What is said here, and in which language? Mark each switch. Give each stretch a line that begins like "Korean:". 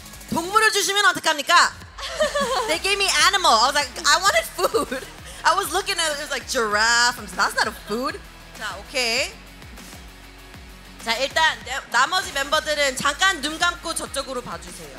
Korean: 동물을 주시면 어떡합니까?
English: They gave me animal. I was like, I wanted food. I was looking at it, it was like giraffe. I'm like, that's not a food.
Korean: 자, 오케이. 자, 일단 나머지 멤버들은 잠깐 눈 감고 저쪽으로 봐주세요.